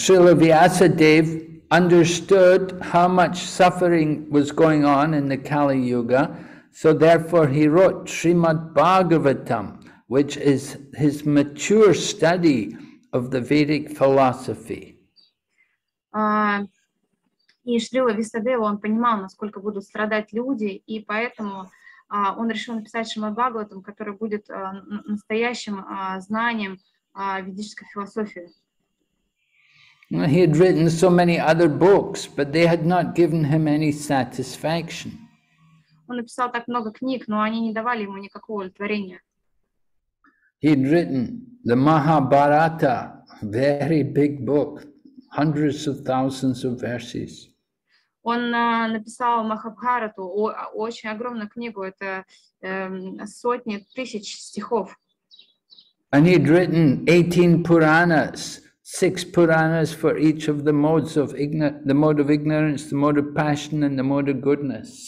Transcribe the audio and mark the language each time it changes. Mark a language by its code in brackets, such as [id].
[en] Srila Vyasadeva understood how much suffering was going on in the Kali Yuga, so therefore he wrote Srimad Bhagavatam, which is his mature study of the Vedic philosophy. [ru] И Шрила Вьясадева, он понимал, насколько будут страдать люди, и поэтому он решил написать Шримад Бхагаватам, который будет настоящим знанием ведической философии. [en] He had written so many other books, but they had not given him any satisfaction. [ru] Он написал так много книг, но они не давали ему никакого удовлетворения. [en] He had written the Mahabharata, very big book, hundreds of thousands of verses. [ru] Он написал Махабхарату, очень огромную книгу, это сотни тысяч стихов. [en] And he'd written 18 Puranas, 6 Puranas for each of the modes of the mode of ignorance, the mode of passion, and the mode of goodness.